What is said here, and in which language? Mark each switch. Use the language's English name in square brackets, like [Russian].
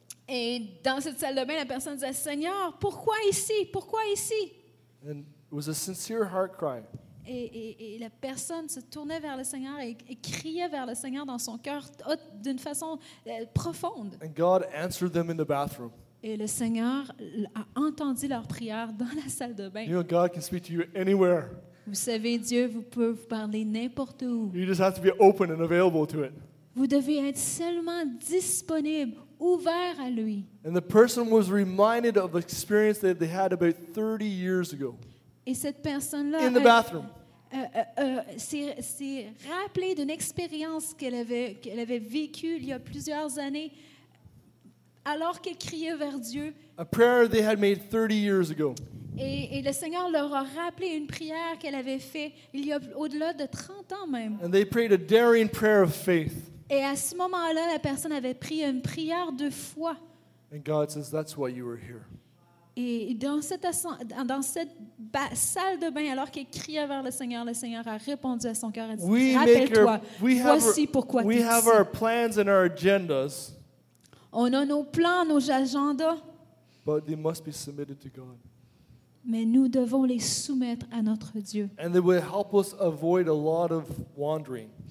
[French] Et dans cette salle de bain, la personne disait, Seigneur, pourquoi ici? Pourquoi ici? [English] And it was a sincere heart cry. [French] Et la personne se tournait vers le Seigneur et criait vers le Seigneur dans son cœur d'une façon profonde. [English] And God answered them in the bathroom. [French] Et le Seigneur a entendu leur prière dans la salle de bain. [English] You know, God can speak to you anywhere. [French] Vous savez, Dieu vous peut vous parler n'importe où. [English] You just have to be open and available to it. [French] Vous devez être seulement disponible, ouvert à lui. [English] And the person was reminded of the experience that they had about 30 years ago. [French] Et cette personne-là [English] in the bathroom. [French] S'est rappelée d'une expérience qu'elle avait vécue il y a plusieurs années. Alors qu'elle criait vers Dieu. [English] A prayer they had made 30 years ago. [French] Et le Seigneur leur a rappelé une prière qu'elle avait faite il y a au-delà de 30 ans même. [English] And they prayed a daring prayer of faith. [French] Et à ce moment-là, la personne avait pris une prière de foi. [English] And God says, that's why you were here. [French] Et dans cette salle de bain, alors qu'elle criait vers le Seigneur a répondu à son cœur et dit, rappelle-toi, voici pourquoi tu es ici. [English] We have our plans and our agendas. [French] On a nos plans, nos agendas. [English] But they must be submitted to God. [French] Mais nous devons les soumettre à notre Dieu. [English] And they will help us avoid a lot of wandering.